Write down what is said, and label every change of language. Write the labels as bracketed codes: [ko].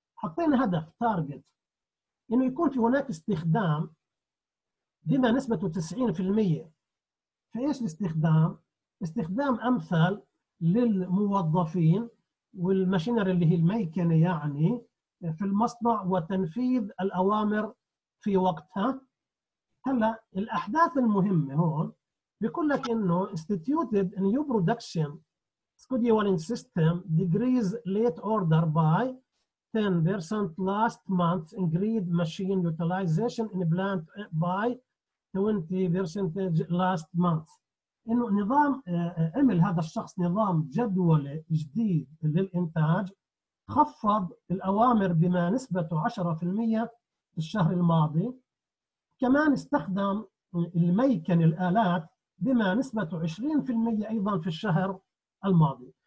[ar] حطينا هدف target انه يكون في هناك استخدام بما نسبته 90%. فايش الاستخدام؟ استخدام امثل للموظفين والماشينري اللي هي الميكنه يعني في المصنع وتنفيذ الاوامر في وقتها. هلا الاحداث المهمه هون بيقول لك انه [en] instituted a new production scheduling system decreased late order by 10% last month increased machine utilization in plant by 20% last month. [ar] انه نظام عمل هذا الشخص نظام جدوله جديد للانتاج خفض الاوامر بما نسبته 10% في الشهر الماضي. كمان استخدم الميكن الآلات بما نسبته 20% أيضا في الشهر الماضي.